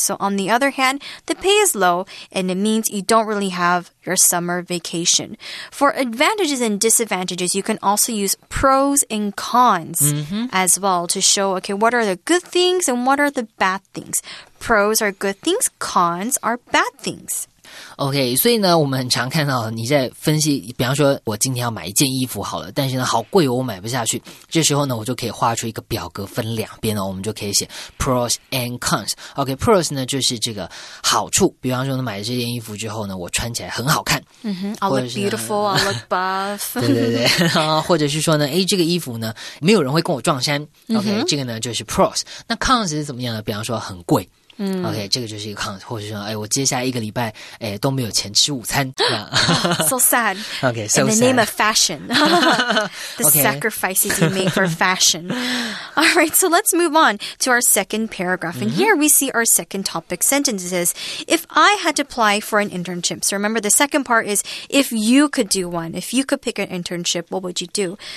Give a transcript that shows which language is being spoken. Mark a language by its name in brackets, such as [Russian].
[English] So on the other hand, the pay is low and it means you don't really have your summer vacation. For advantages and disadvantages, you can also use pros and cons mm-hmm. as well to show, okay, what are the good things and what are the bad things? Pros are good things, cons are bad things. [Chinese] OK, 所以呢我们很常看到你在分析，比方说我今天要买一件衣服好了，但是呢好贵哦，我买不下去。这时候呢我就可以画出一个表格分两边，我们就可以写 pros and cons. OK, pros 呢就是这个好处，比方说呢买了这件衣服之后呢我穿起来很好看。 [English] Mm-hmm, I'll look beautiful, I'll look buff. [Chinese] 对对对，或者是说呢，诶，这个衣服呢没有人会跟我撞衫。 OK,、 mm-hmm. 这个呢就是 pros. 那 cons 是怎么样呢？比方说很贵。嗯，OK， 这个就是一个 cons， 或者说，哎，我接下来一个礼拜，哎，都没有钱吃午餐。 [English] so sad. OK, so in the name of fashion, the sacrifices you make for fashion. All right, so let's move on to our second paragraph. And here we see our second topic sentence is, if I had to apply for an internship. So remember, the second part is, if you could do one, if you could pick an internship, what would you do?